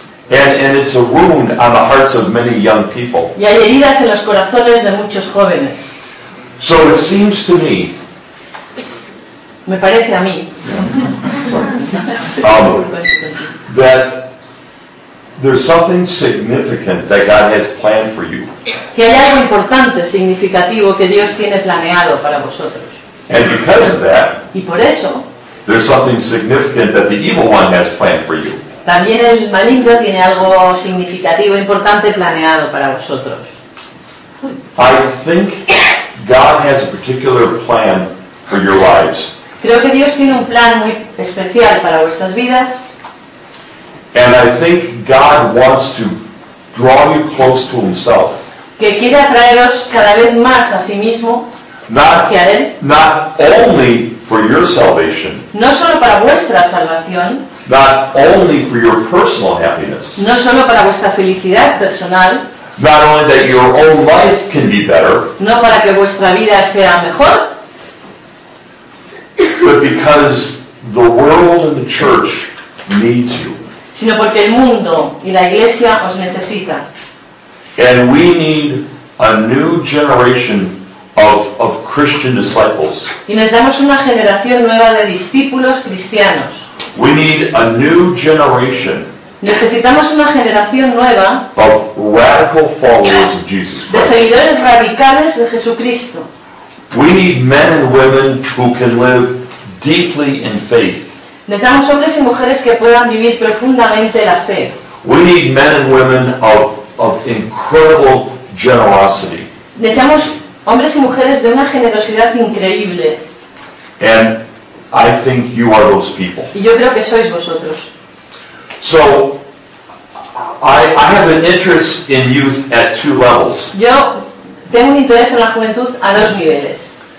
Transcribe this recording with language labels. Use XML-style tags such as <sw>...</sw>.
<en>And it's a wound on the hearts of many young people.</en> <es>Y hay heridas en los corazones de muchos jóvenes.</es> <en>So it seems to me.</en> <es>Me parece a mí.</es> <en>That there's something significant that God has planned for you.</en> <es>Que hay algo importante, significativo que Dios tiene planeado para vosotros.</es> <en>And because of that.</en> <es>Y por eso.</es> <en>There's something significant that the evil one has planned for you.</en> <es>También el maligno tiene algo significativo, importante planeado para vosotros.</es> <en>I think God has a particular plan for your lives.</en> <es>Creo que Dios tiene un plan muy especial para vuestras vidas.</es> <en>And I think God wants to draw you close to Himself.</en> <es>Que quiere atraeros cada vez más a sí mismo, hacia Él.</es> <en>Not only for your salvation.</en> <es>No solo para vuestra salvación.</es> <en>Not only for your personal happiness.</en> <es>No solo para vuestra felicidad personal.</es> <en>Not only that your own life can be better.</en> <es>No para que vuestra vida sea mejor.</es> <en>But because the world and the church needs you.</en> <es>Sino porque el mundo y la iglesia os necesitan.</es> <en>And we need a new generation of Christian disciples.</en> <es>Y necesitamos una generación nueva de discípulos cristianos.</es> <en>We need a new generation.</en> <es>Necesitamos una generación nueva</es> <en>of radical followers of Jesus Christ.</en> <es>De seguidores radicales de Jesucristo.</es> <en>We need men and women who can live deeply in faith.</en> <es>Necesitamos hombres y mujeres que puedan vivir profundamente la fe.</es> <en>We need men and women of incredible generosity.</en> <es>Necesitamos hombres y mujeres de una generosidad increíble.</es> <en>And I think you are those people.</en> <es>Y yo creo que sois vosotros.</es> <en>So, I have an interest in youth at two levels.</en> <es>Yo tengo un interés en la juventud a dos niveles.</es>